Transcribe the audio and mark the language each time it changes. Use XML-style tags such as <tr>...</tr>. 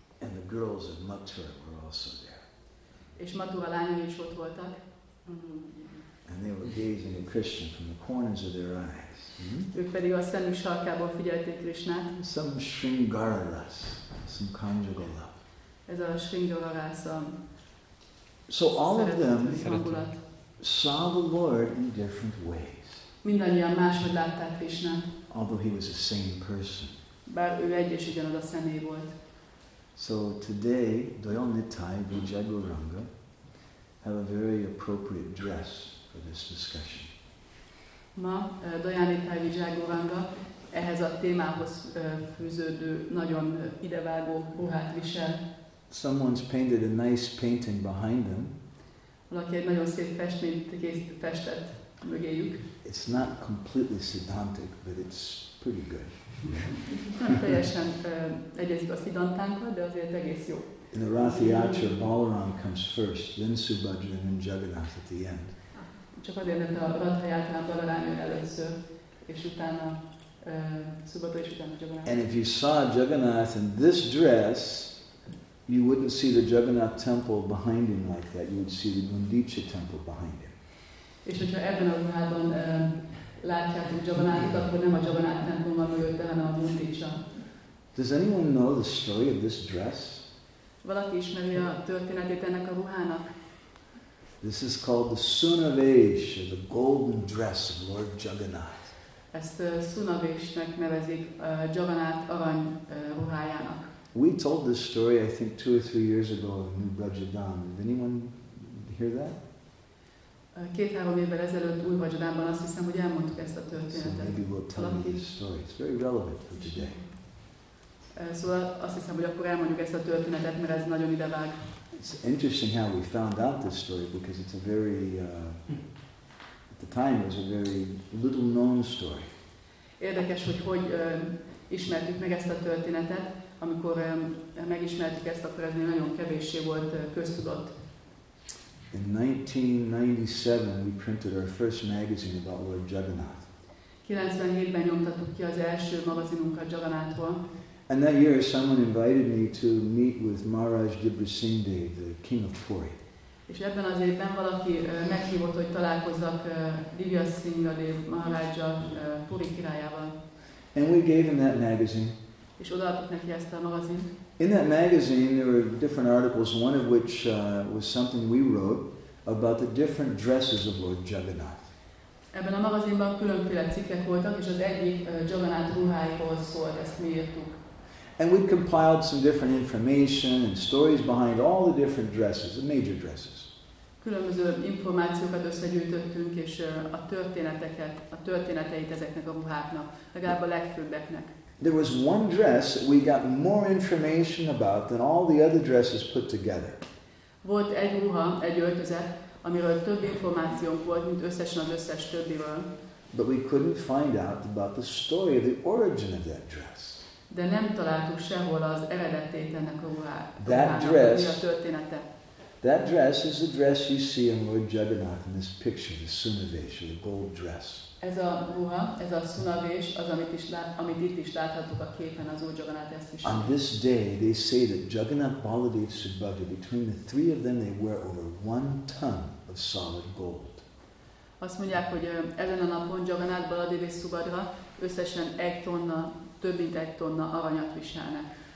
<en>And the girls of Mathura were also there.</en> <hu>És Mathura lányai is ott voltak.</hu> <en>And they were gazing at Krishna from the corners of their eyes.</en> <hu>Ők pedig a szemük sarkából figyelték Krishnát.</hu> <en>Some Sringaras, some conjugal love.</en> <hu>Ez a Sringaras.</hu> <en>So all of them saw the Lord in different ways.</en> <hu>Mindannyian máshogy látták Krishnát.</hu> <en>Although he was the same person.</en> <hu>Bár ő egy és ugyanaz a személy volt.</hu> <en>So today, Doyonitai Vijayaguranga have a very appropriate dress for this discussion.</en> <hu>Ma Dajánitai Vijayaguranga ehhez a témához fűződő nagyon idevágó ruhát visel.</hu> <en>Someone's painted a nice painting behind them.</en> <hu>Valaki egy nagyon szép festményt festett mögéjük.</hu> <en>It's not completely siddhantic, but it's pretty good.</en> <hu>Nem teljesen egyezik a siddhantánkkal, de azért egész jó.</hu> <en>In the Rathiyatra, Balaram comes first, then Subhadra, then Jagannath at the end.</en> <hu>Csak azért, mert a Radhajátán Balarán jön először, és utána Szubhadra, és utána Jagannath.</hu> <en>And if you saw Jagannath in this dress, you wouldn't see the Jagannath temple behind him like that. You would see the Gundicha temple behind him.</en> <hu>És hogyha ebben a ruhában látjátok Jagannathot, akkor nem a Jagannath templomban jött, hanem a Gundicha.</hu> <en>Does anyone know the story of this dress?</en> <hu>Valaki ismeri a történetét ennek a ruhának?</hu> <en>This is called the Sunavesh, the golden dress of Lord Jagannath.</en> <hu>Ezt Sunavesh-nek nevezik, Jagannath arany ruhájának.</hu> <en>We told this story, I think, 2 or 3 years ago in New Brajadam. Did anyone hear that?</en> <hu>2-3 évvel ezelőtt Új Brajadamban azt hiszem, hogy elmondtuk ezt a történetet.</hu> <en>So maybe we'll tell you this story. It's very relevant for today.</en> <hu>Szóval azt hiszem, hogy akkor elmondjuk ezt a történetet, mert ez nagyon idevág.</hu> <en>It's interesting how we found out this story because it's a very, at the time, it was a very little known story.</en> <hu>Érdekes, hogy ismertük meg ezt a történetet, amikor megismertük ezt, akkor ez nagyon kevéssé volt köztudott.</hu> <en>In 1997 we printed our first magazine about Lord Jagannath.</en> <hu>97-ben nyomtattuk ki az első magazinunkat Jagannathról.</hu> <en>And that year someone invited me to meet with Maharaj Dibrasingdev, the king of Puri.</en> <hu>És ebben az évben valaki meghívott, hogy találkozzak Divyasingadev Maharaja Puri királyával.</hu> <en>And we gave him that magazine.</en> <hu>És odaadtuk neki ezt a magazint.</hu> <en>In that magazine there were different articles, one of which was something we wrote about the different dresses of Lord Jagannath.</en> <hu>Ebben a magazinban különféle cikkek voltak, és az egyik Jagannath ruháiról szólt, ezt mi írtuk.</hu> <en>And we compiled some different information and stories behind all the different dresses, the major dresses.</en> <hu>Különböző információkat összegyűjtöttünk, és a történeteket, a történeteit ezeknek a ruháknak, legalább a legfőbbeknek.</hu> <en>There was one dress we got more information about than all the other dresses put together.</en> <hu>Volt egy ruha, egy öltözet, amiről több információnk volt, mint összesen az összes többiről.</hu> <en>But we couldn't find out about the story of the origin of that dress.</en> <hu>De nem találtuk sehol az eredetét ennek a ruhának.</hu> <en>That dress,</en> <hu>a története.</hu> <en>That dress is the dress you see in Lord Jagannath in this picture, the Sunavesha, the gold dress.</en> <hu>Ez a ruha, ez a Sunavés, az amit is amit itt is láthatok a képen, az Úr Jagannath ezt is.</hu> <en>On this day they say that Jagannath Baladev Subhadra, between the three of them they wear over one ton of solid gold.</en> <hu>Azt mondják, hogy ezen a napon Jagannath Baladev és Subhadra összesen egy tonna, több mint egy tonna aranyat viselnek.</hu>